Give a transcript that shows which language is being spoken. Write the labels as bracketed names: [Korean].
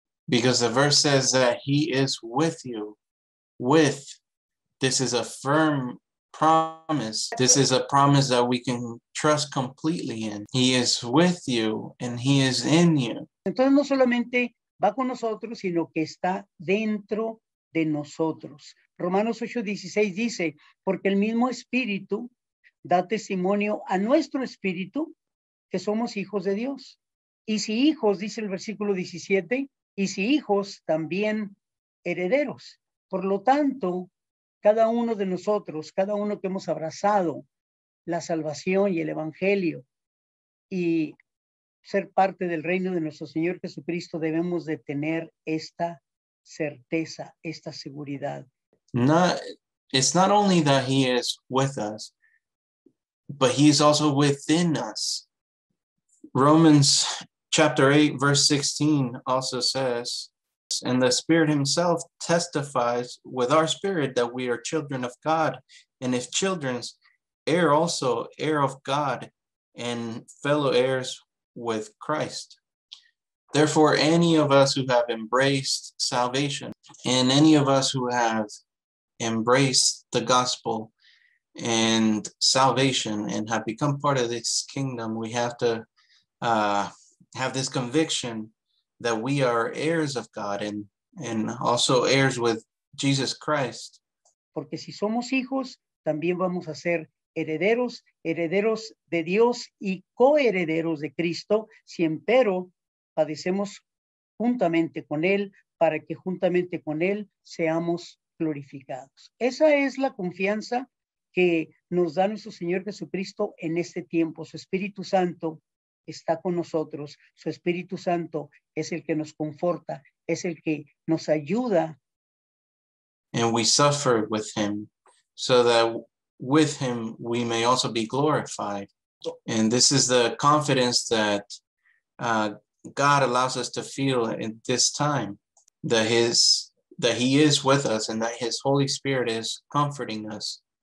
[English] Because the verse says that He is with you. With, this is a firm promise. This is a promise that we can trust completely in. He is with you and He is in you. [Spanish] Entonces no solamente va con nosotros, sino que está dentro de nosotros. Romanos 8:16 dice, porque el mismo Espíritu da testimonio a nuestro espíritu que somos hijos de Dios. Y si hijos, dice el versículo 17, y si hijos, también herederos. Por lo tanto, cada uno de nosotros, cada uno que hemos abrazado la salvación y el evangelio y ser parte del reino de nuestro Señor Jesucristo, debemos de tener esta certeza, esta seguridad. [English] It's not only that he is with us, but he is also within us. Romans chapter 8, verse 16 also says, and the Spirit himself testifies with our spirit that we are children of God. And if children, heir also, heir of God and fellow heirs with Christ. Therefore, any of us who have embraced salvation and any of us who have embraced the gospel and salvation and have become part of this kingdom, we have to have this conviction that we are heirs of God and also heirs with Jesus Christ. [Spanish] Porque si somos hijos, también vamos a ser herederos, herederos de Dios y coherederos de Cristo, si empero padecemos juntamente con Él, para que juntamente con Él seamos glorificados. Esa es la confianza que nos da nuestro Señor Jesucristo en este tiempo. Su Espíritu Santo está con nosotros. Su Espíritu Santo es el que nos conforta, es el que nos ayuda. [English] And we suffer with him so that with him we may also be glorified. And this is the confidence that God allows us to feel in this time, that he is with us and that his Holy Spirit is comforting us.